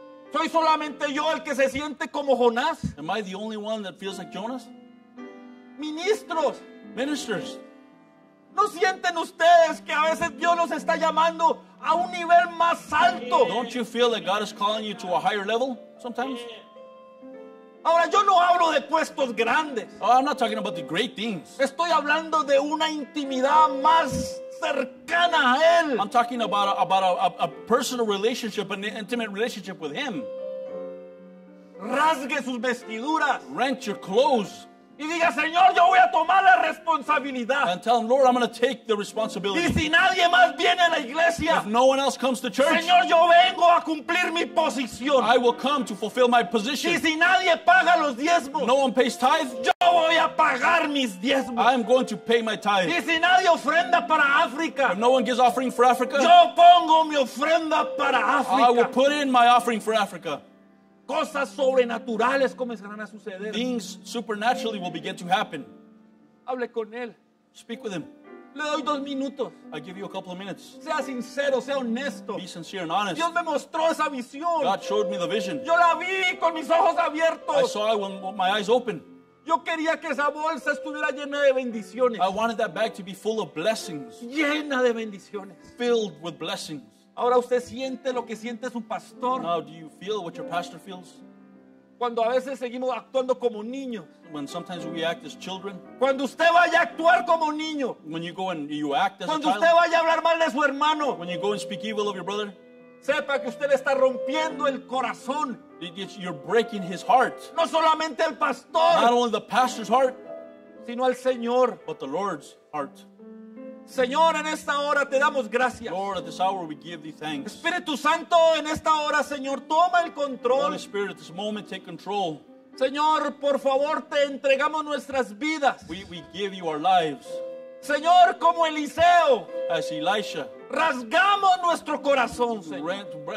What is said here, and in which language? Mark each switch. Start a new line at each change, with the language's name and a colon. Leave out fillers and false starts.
Spanish: ¿Soy solamente yo el que se siente como Jonás?
English: Am I the only one that feels like Jonas?
Spanish: Ministros.
English: Ministers.
Spanish: ¿No sienten ustedes que a veces Dios los está llamando a un nivel más alto?
English: Don't you feel that God is calling you to a higher level sometimes?
Spanish: Ahora yo no hablo de puestos grandes.
English: Oh, I'm not talking about the great things.
Spanish: Estoy hablando de una intimidad más cercana a él.
English: I'm talking about a personal relationship, an intimate relationship with him.
Spanish: Rasgue sus vestiduras.
English: Rent your clothes.
Spanish: Y diga, Señor, yo voy a tomar la responsabilidad.
English: And tell him, Lord, I'm going to take the responsibility.
Spanish: Y si nadie más viene a la iglesia,
English: if no one else comes to church,
Spanish: Señor, yo vengo a cumplir mi posición.
English: I will come to fulfill my position.
Spanish: Y si nadie paga los diezmos,
English: no one pays tithe,
Spanish: yo voy a pagar mis diezmos.
English: I'm going to pay my tithe.
Spanish: Y si nadie ofrenda para África,
English: if no one gives offering for Africa,
Spanish: yo pongo mi ofrenda para África.
English: I will put in my offering for Africa.
Spanish: Cosas sobrenaturales comenzarán a suceder.
English: Things supernaturally will begin to happen.
Spanish: Hable con él.
English: Speak with him.
Spanish: Le doy dos minutos.
English: I give you a couple of minutes.
Spanish: Sea sincero, sea honesto.
English: Be sincere and honest.
Spanish: Dios me mostró esa visión.
English: God showed me the vision.
Spanish: Yo la vi con mis ojos abiertos.
English: I saw it with my eyes open.
Spanish: Yo quería que esa bolsa estuviera llena de bendiciones.
English: I wanted that bag to be full of blessings.
Spanish: Llena de bendiciones.
English: Filled with blessings.
Spanish: Ahora usted siente lo que siente su pastor.
English: Now do you feel what your pastor feels?
Spanish: Cuando a veces seguimos actuando como niños.
English: When sometimes we act as children.
Spanish: Cuando usted vaya a actuar como niño.
English: When you go and you act as
Spanish: cuando
English: a child.
Spanish: Usted vaya a hablar mal de su hermano.
English: When you go and speak evil of your brother.
Spanish: Sepa que usted está rompiendo el corazón.
English: You're breaking his heart.
Spanish: No solamente el pastor.
English: Not only the pastor's heart.
Spanish: Sino al Señor.
English: But the Lord's heart.
Spanish: Señor, en esta hora te damos gracias.
English: Lord, at this hour we give thee thanks.
Spanish: Espíritu Santo, en esta hora, Señor, toma el control.
English: Holy Spirit, this moment take control.
Spanish: Señor, por favor, te entregamos nuestras vidas.
English: We give you our lives.
Spanish: Señor, como Eliseo.
English: As Elisha.
Spanish: Rasgamos nuestro corazón, Señor.